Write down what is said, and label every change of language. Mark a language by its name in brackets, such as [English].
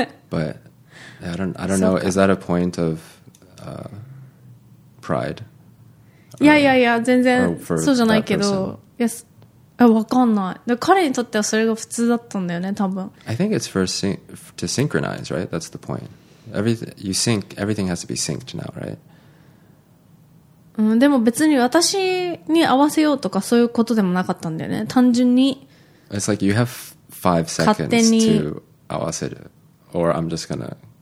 [English] But I don't know. Is that a point of... pride? [Japanese] いやいやいや、全然そうじゃないけど、yes. あ、わかんない。で、彼にとってはそれが普通だったんだよね、多分。 [English] I think it's for to synchronize, right? That's the point. You sync, everything has to be synced now, right? [Japanese] うん、でも別に私に合わせようとかそういうことでもなかったんだよね、単純に。 [English] It's like you have 5 seconds to 合わせる or I'm just gonna